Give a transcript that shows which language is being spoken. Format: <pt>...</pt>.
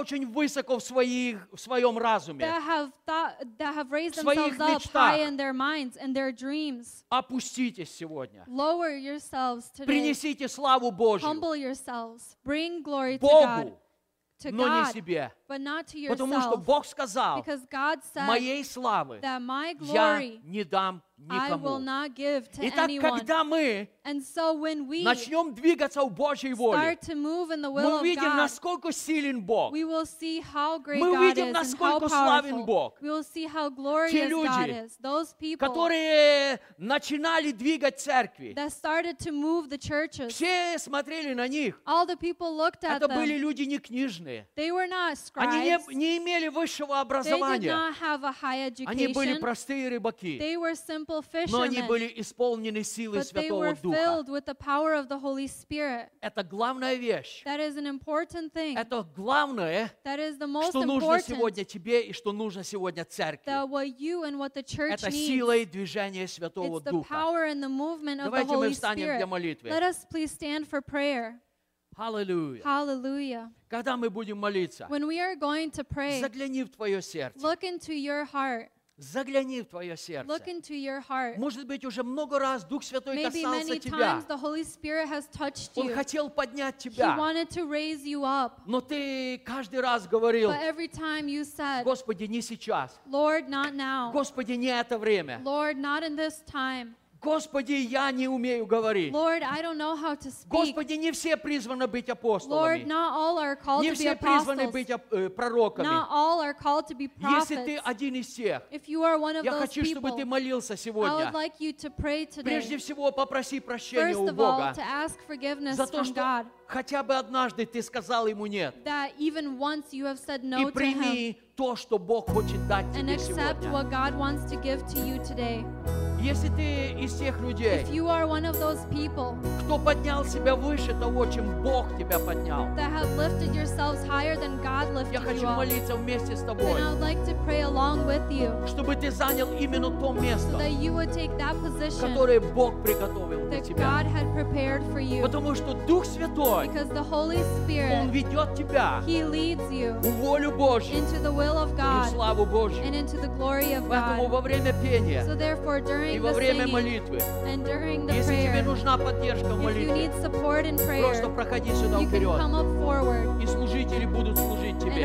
<ru>очень высоко в своем разуме.</ru> <en>That have raised themselves up high in their minds and their dreams.</en> <ru>Опуститесь сегодня.</ru> <en>Lower yourselves today.</en> <ru>Принесите славу Божию.</ru> <en>Humble yourselves. Bring glory</en> <ru>Богу,</ru> <en>to God.</en> <ru>Но не себе.</ru> <en>But not to yourself.</en> <ru>Потому что Бог сказал,</ru> <en>Because God said</en> <ru>моей славы</ru> <en>that my glory</en> <ru>я не дам никому.</ru> <en>I will not give to</en> <ru>Итак,</ru> <en>anyone.</en> <ru>Когда мы</ru> <en>And so when we</en> <ru>начнем двигаться в Божьей воле,</ru> <en>start to move in the will</en> <ru>мы увидим,</ru> <en>of God,</en> <ru>насколько силен Бог.</ru> <en>We will see how great</en> <ru>мы</ru> <en>God</en> <ru>увидим,</ru> <en>is</en> <ru>насколько</ru> <en>and how powerful.</en> <ru>Славен Бог.</ru> <en>We will see how glorious</en> <ru>люди,</ru> <en>God is. Those people</en> <ru>которые начинали двигать церкви,</ru> <en>that started to move the churches.</en> <ru>Все смотрели на них.</ru> <en>All the people looked at</en> <ru>Это</ru> <en>them.</en> <ru>Были люди не книжные.</ru> <en>They were not scribes.</en> <ru>Они не имели высшего образования.</ru> <en>They did not have a high education.</en> <ru>Они были простые рыбаки.</ru> <en>They were simple simple fishermen.</en> <ru>Но они были исполнены силой Святого Духа.</ru> <en>But they were filled with the power of the Holy Spirit.</en> <ru>Это главная вещь.</ru> <en>That is an important thing.</en> <ru>Это главное.</ru> <en>That is the most important.</en> <ru>Что нужно сегодня тебе и что нужно сегодня церкви.</ru> <en>That what you and what the church needs.</en> <ru>Это сила и движение Святого Духа.</ru> <en>It's the power and the movement of</en> <ru>Давайте</ru> <en>the Holy Spirit.</en> <ru>Давайте мы встанем для молитвы.</ru> <en>Let us please stand for prayer. Hallelujah. Hallelujah.</en> <ru>Когда мы будем молиться?</ru> <en>When we are going to pray.</en> <ru>Загляни в твое сердце.</ru> <en>Look into your heart.</en> <ru>Загляни в твое сердце.</ru> <en>Look into your heart.</en> <ru>Может быть, уже много раз Дух Святой</ru> <en>Maybe</en> <ru>касался</ru> <en>many</en> <ru>тебя.</ru> <en>Times the Holy Spirit has touched you.</en> <ru>Он хотел поднять тебя.</ru> <en>He wanted to raise you up.</en> <ru>Но ты каждый раз говорил,</ru> <en>But every time you said,</en> <ru>Господи, не сейчас.</ru> <en>Lord, not now.</en> <ru>Господи, не это время.</ru> <en>Lord, not in this time.</en> <ru>Господи, я не умею говорить.</ru> <en>Lord, I don't know how to speak.</en> <ru>Господи, не все призваны быть апостолами.</ru> <en>Lord, not all are called</en> <ru>не</ru> <en>to be apostles.</en> <ru>Не все призваны быть пророками.</ru> <en>Not all are called to be prophets.</en> <ru>Если ты один из тех,</ru> <en>If you are one of</en> <ru>я</ru> <en>those</en> <ru>хочу,</ru> <en>people,</en> <ru>чтобы ты молился сегодня.</ru> <en>I would like you to pray today.</en> <ru>Прежде всего, попроси прощения у Бога.</ru> <en>First of all, to ask forgiveness</en> <ru>за то, что</ru> <en>from God.</en> <ru>Хотя бы однажды ты сказал ему нет.</ru> <en>That even once you have said no</en> <ru>и прими</ru> <en>to him,</en> <ru>то, что Бог хочет дать тебе</ru> <en>and accept</en> <ru>сегодня.</ru> <en>What God wants to give to you today.</en> <ru>Если ты из тех людей,</ru> <en>If you are one of those people,</en> <ru>кто поднял себя выше того, чем Бог тебя поднял,</ru> <en>that have lifted yourselves higher than God lifted</en> <ru>я хочу</ru> <en>you</en> <ru>молиться</ru> <en>up,</en> <ru>вместе с тобой,</ru> <en>then I would like to pray along with you,</en> <ru>чтобы ты занял именно то место,</ru> <en>so that you would take that position,</en> <ru>которое Бог приготовил для тебя,</ru> <en>God had prepared for you,</en> <ru>потому что Дух Святой,</ru> <en>because the Holy Spirit,</en> <ru>Он ведет тебя</ru> <en>He leads you</en> <ru>в волю Божью,</ru> <en>into the will of God,</en> <ru>в славу Божью,</ru> <en>and into the glory of God.</en> <ru>Поэтому во время пения,</ru> <en>so therefore during</en> <ru>И во время молитвы, если тебе нужна поддержка в молитве, просто проходи сюда вперед, и служители будут служить тебе.</ru>